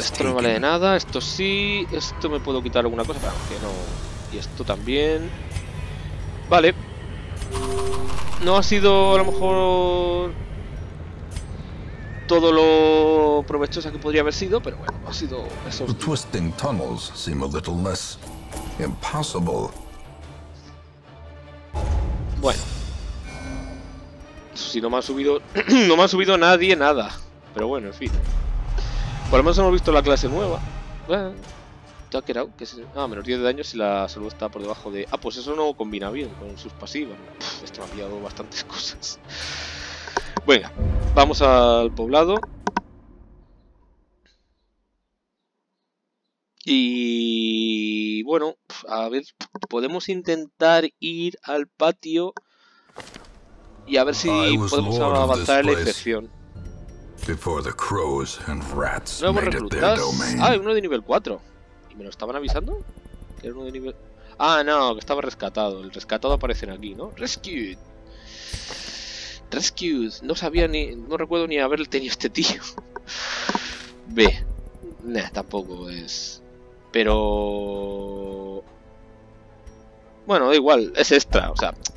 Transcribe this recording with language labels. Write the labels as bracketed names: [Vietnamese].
[Spanish] Esto no vale de nada, esto sí, esto me puedo quitar alguna cosa, pero que no. Y esto también. Vale. No ha sido a lo mejor todo lo provechosa que podría haber sido, pero bueno, ha sido eso. [English] The twisting tunnels seem a little less impossible. [Spanish] Bueno. Si no me han subido. No me han subido nadie nada. Pero bueno, en fin. Por lo menos hemos visto la clase nueva. Tucker out, que es... ah, menos 10 de daño si la salud está por debajo de... ah, pues eso no combina bien con sus pasivas. Pff, esto me ha pillado bastantes cosas. Venga, vamos al poblado. Y... bueno, a ver, podemos intentar ir al patio y a ver si podemos avanzar la infección. [English] Before the crows and rats. [Spanish] Nuevos reclutas. Ah, uno de nivel 4. ¿Y me lo estaban avisando? Que era uno de nivel... ah, no, que estaba rescatado. El rescatado aparece aquí, ¿no? [English] Rescued. Rescued. [Spanish] No sabía ni... no recuerdo ni haber tenido este tío. B. Nah, tampoco es... pero... bueno, da igual. Es extra, o sea...